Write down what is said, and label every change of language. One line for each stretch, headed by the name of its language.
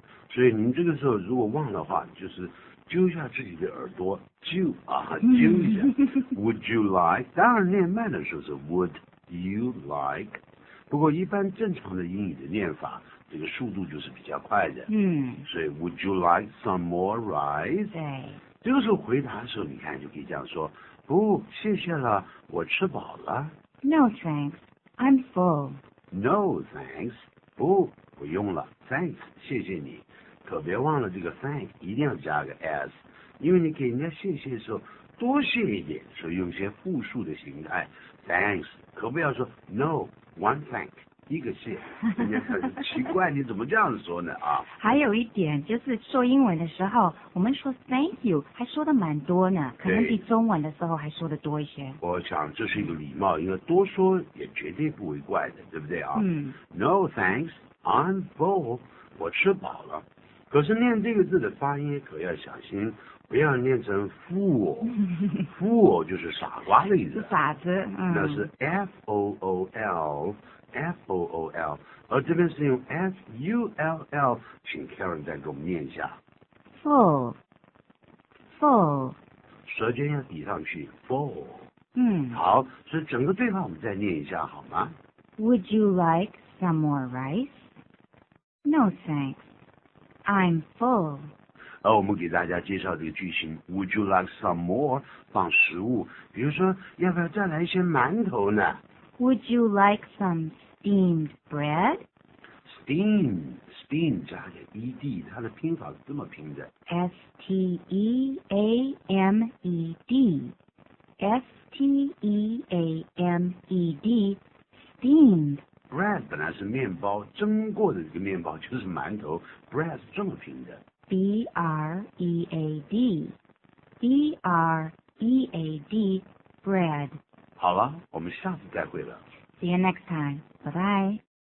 Chinese: 所以您这个时候如果忘的话就是揪一下自己的耳朵，揪啊，揪一下。
English: Would you like?
Chinese: 当然念慢的时候是
English: Would you like?
Chinese: 不过一般正常的英语的念法，这个速度就是比较快的。
English: 所以 Would you like some more rice?
Chinese: 对。这个时候回答的时候，你看就可以这样说：不，谢谢了，我吃饱了。
English: No thanks, I'm full. No thanks,
Chinese: 不，不用了。 Thanks, 谢谢你。可别忘了这个 thank 一定要加个 s， 因为你给人家谢谢的时候多谢一点，所以用一些复数的形态 thanks， 可不要说
English: no one thank
Chinese: 一个谢，人家很奇怪你怎么这样说呢啊？还有一点就是说英文的时候，我们说 thank you 还说的蛮多呢，可能比中文的时候还说的多一些。我想这是一个礼貌，因为多说也绝对不会怪的，对不对啊？
English: No thanks, I'm full，
Chinese: 我吃饱了。可是念这个字的发音可要小心，不要念成 fool， fool 就是傻瓜的意思，是傻子，那是 F-O-O-L， F-O-O-L， 而这边是用 F-U-L-L， 请 Karen 再给我们念一下
English: fool， fool，
Chinese: 舌尖要抵上去 fool。好，所以整个对话我们再念一下好吗？
English: Would you like some more rice? No thanks. I'm full.
Chinese: 我们给大家介绍这个句型
English: Would you like some more?
Chinese: 放食物，比如说要不要再来一些馒头呢？
English: Would you like some steamed bread?
Chinese: Steam 加个 ed， 它的拼法是这么拼的
English: S-T-E-A-M-E-D S-T-E-A-M-E-D Steamed
Chinese: bread 本来是面包，蒸过的这个面包就是馒头。 bread 是这么拼的
English: ，bread， bread， bread。
Chinese: 好了，我们下次再会了。
English: See you next time. Bye bye.